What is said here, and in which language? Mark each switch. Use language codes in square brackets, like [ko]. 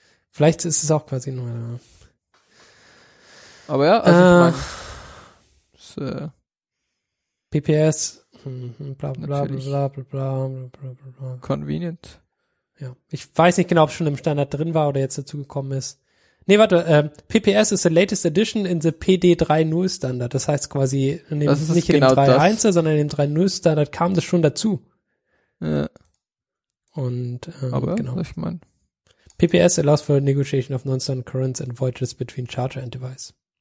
[de] Vielleicht ist es auch quasi nur eine. Aber ja, also PPS, bla bla bla bla bla bla bla bla bla bla. [en] Convenient. [de] Ja, ich weiß nicht genau, ob es schon im Standard drin war oder jetzt dazu gekommen ist. Nee, warte, [en] PPS is the latest addition in the PD3.0 Standard. [de] Das heißt quasi, nicht genau in dem 3.1, sondern in dem 3.0 Standard kam das schon dazu. Ja. Und, aber, genau. Was ich meine. [en] PPS allows for negotiation of non-standard currents and voltages between charger and device.